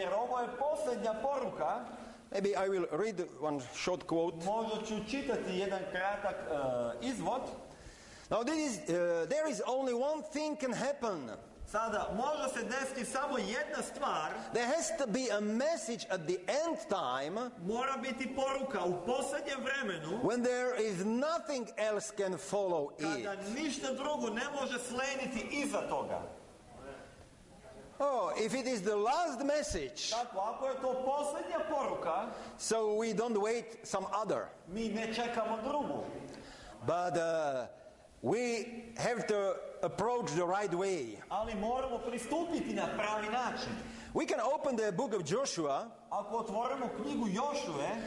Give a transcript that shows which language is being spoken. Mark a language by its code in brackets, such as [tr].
[sr] Jer ovo je posljednja poruka. [en] Maybe I will read one short quote. [sr] Možda ću čitati jedan kratak izvod. [en] Now this is, there is only one thing can happen. [sr] Sada može se desiti samo jedna stvar. [en] There has to be a message at the end time. [sr] Mora biti poruka u posljednjem vremenu. [en] When there is nothing else can follow it. [sr] Kada ništa drugo ne može slijediti iza toga. [en] Oh, if it is the last message. [sr] Tako, ako je to posljednja poruka. [en] So we don't wait some other. [sr] Mi ne čekamo drugu. [en] But we have to approach the right way. [sr] Ali moramo pristupiti na pravi način. [en] We can open the book of Joshua. [sr] Ako otvorimo knjigu Jošue.